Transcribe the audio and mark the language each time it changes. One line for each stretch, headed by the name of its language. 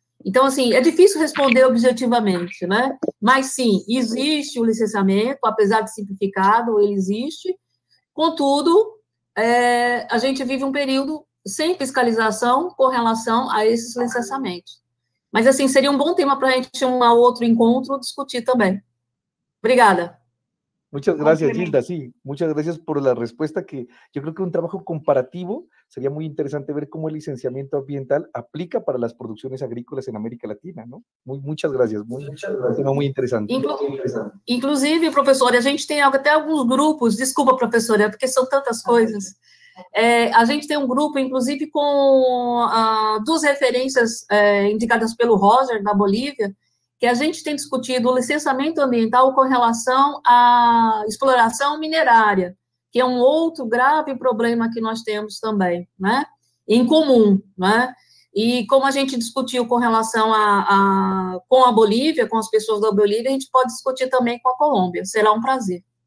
Portuguese: Então, assim, é difícil responder objetivamente, né? Mas, sim, existe o licenciamento, apesar de simplificado, ele existe. Contudo, a gente vive um período sem fiscalização com relação a esses licenciamentos. Mas, assim, seria um bom tema para a gente ter um outro encontro discutir também. Obrigada.
Spanish: Muchas gracias, Gilda. Sí, muchas gracias por la respuesta, que yo creo que un trabajo comparativo sería muy interesante ver cómo el licenciamiento ambiental aplica para las producciones agrícolas en América Latina, ¿no? Muchas gracias. Un tema muy interesante.
Portuguese: Inclusive, profesora, a gente tem até alguns grupos, desculpa, profesora, porque são tantas coisas. A gente tem grupo, inclusive, com duas referências indicadas pelo Roger, da Bolívia, que a gente tem discutido o licenciamento ambiental com relação à exploração minerária, que é um outro grave problema que nós temos também, né, em comum, né, e como a gente discutiu com relação com a Bolívia, com as pessoas da Bolívia, a gente pode discutir também com a Colômbia, será um prazer.